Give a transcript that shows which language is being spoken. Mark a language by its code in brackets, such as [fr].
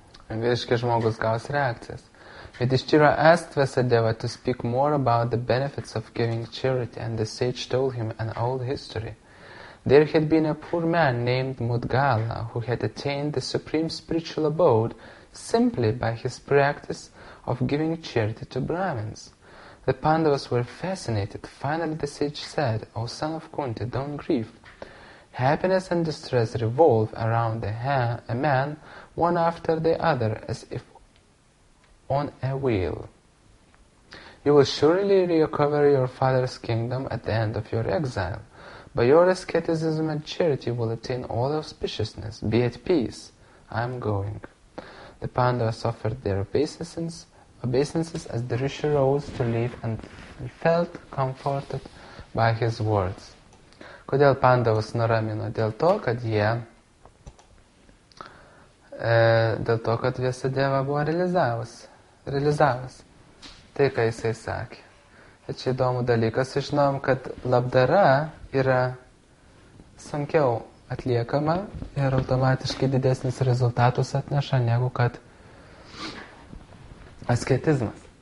[lt] Vyriškis žmogus gaus reakcijas. [en] Yudhishthira asked Vyasadeva to speak more about the benefits of giving charity, and the sage told him an old history. There had been a poor man named Mudgala who had attained the supreme spiritual abode simply by his practice of giving charity to Brahmins. The Pandavas were fascinated. Finally, the sage said, "O son of Kunti, don't grieve. Happiness and distress revolve around a man one after the other as if on a wheel. You will surely recover your father's kingdom at the end of your exile. By your asceticism and charity will attain all auspiciousness. Be at peace. I am going." The Pandavas offered their obeisances as the Rishi rose to leave and felt comforted by his words. [lt] Kodėl Pandavas nuramino? Dėl to, kad Vyasadeva buvo realizavus tai, ką jisai sakė. Bet čia įdomu dalykas, žinom, kad labdara yra sunkiau atliekama ir automatiškai didesnis rezultatus atneša, negu kad asketizmas.